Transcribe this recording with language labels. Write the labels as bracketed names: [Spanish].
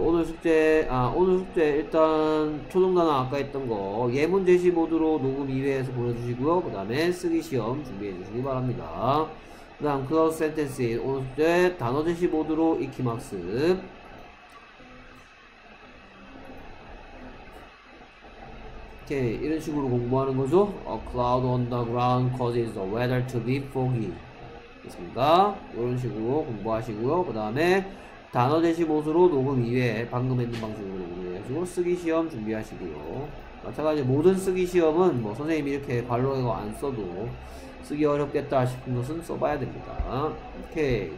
[Korean] 오늘 숙제 일단 초등단원 아까 했던 거 예문 제시 모드로 녹음 2회에서 보내주시고요. 그 다음에 쓰기 시험 준비해 주시기 바랍니다. 그 다음 close sentences 오늘 숙제 단어 제시 모드로 익히 학습. 이렇게 이런 식으로 공부하는 거죠. [English] A cloud on the ground causes the weather to be foggy. [Korean] 됐습니까? 이런 식으로 공부하시고요. 그 다음에 단어 제시 모드로 녹음 2회 방금 했던 방식으로 녹음해가지고 쓰기 시험 준비하시고요. 마찬가지로 모든 쓰기 시험은 뭐 선생님이 이렇게 발로 안 써도 쓰기 어렵겠다 싶은 것은 써봐야 됩니다. 오케이.